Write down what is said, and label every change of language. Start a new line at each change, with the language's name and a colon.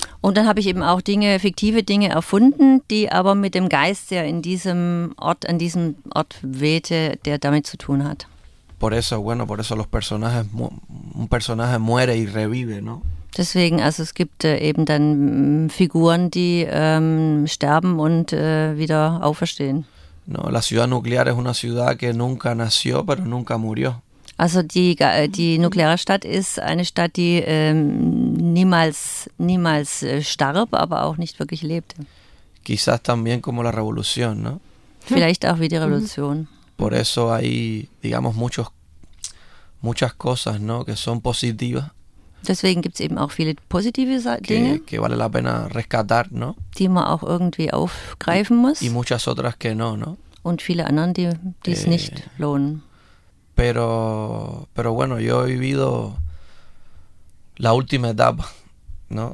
German: Und dann habe ich eben auch Dinge, fiktive Dinge erfunden, die aber mit dem Geist, der an diesem Ort wehte, der damit zu tun hat.
Spanish: Por eso los personajes, un personaje muere y revive, ¿no?
German: Deswegen, also es gibt eben dann Figuren, die sterben und wieder auferstehen.
Spanish: No, la ciudad nuclear es una ciudad que nunca nació, pero nunca murió.
German: Also die nukleare Stadt ist eine Stadt, die niemals starb, aber auch nicht wirklich lebte.
Spanish: Quizás también como la revolución, ¿no?
German: Vielleicht auch wie die Revolution.
Spanish: Por eso hay, digamos, muchas cosas, ¿no? Que son positivas.
German: Deswegen gibt es eben auch viele positive Dinge,
Spanish: que vale la pena rescatar, ¿no?
German: Die man auch irgendwie aufgreifen muss.
Spanish: Y muchas otras que no, ¿no?
German: Und viele anderen, die es nicht lohnen.
Spanish: Pero bueno, yo he vivido la última etapa, ¿no?